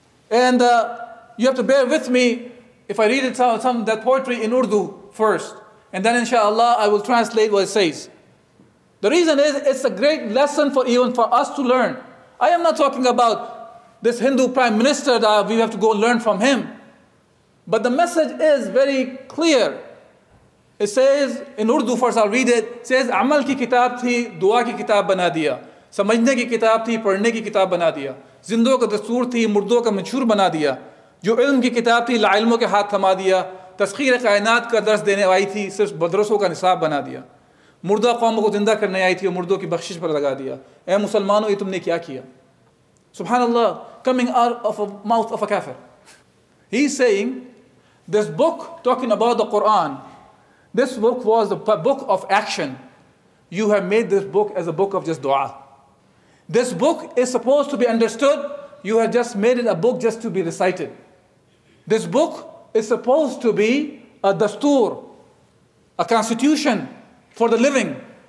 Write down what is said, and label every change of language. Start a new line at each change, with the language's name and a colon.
English: And you have to bear with me if I read it some of that poetry in Urdu first. And then inshallah, I will translate what it says. The reason is, it's a great lesson for us to learn. I am not talking about this Hindu prime minister that we have to go learn from him. But the message is very clear.
Urdu: It says, in Urdu first I'll read it, it says, عمل کی کتاب تھی دعا کی کتاب بنا دیا سمجھنے کی کتاب تھی پڑھنے کی کتاب بنا دیا زندوں کا دستور تھی مردوں کا منشور بنا دیا جو علم کی کتاب تھی لعلموں کے ہاتھ تھما دیا تسخیر کائنات کا درس دینے آئی تھی صرف بدرسوں کا نصاب بنا دیا مردہ قوموں کو زندہ کرنے آئی تھی اور مردوں کی بخشش پر لگا دیا اے مسلمانوں یہ تم نے کیا کیا. سبحان اللہ, coming out of a mouth of a kafir.
English: He's saying, this book talking about the Quran, this book was the book of action. You have made this book as a book of just dua. This book is supposed to be understood. You have just made it a book just to be recited. This book is supposed to be a dastur, a constitution for the living.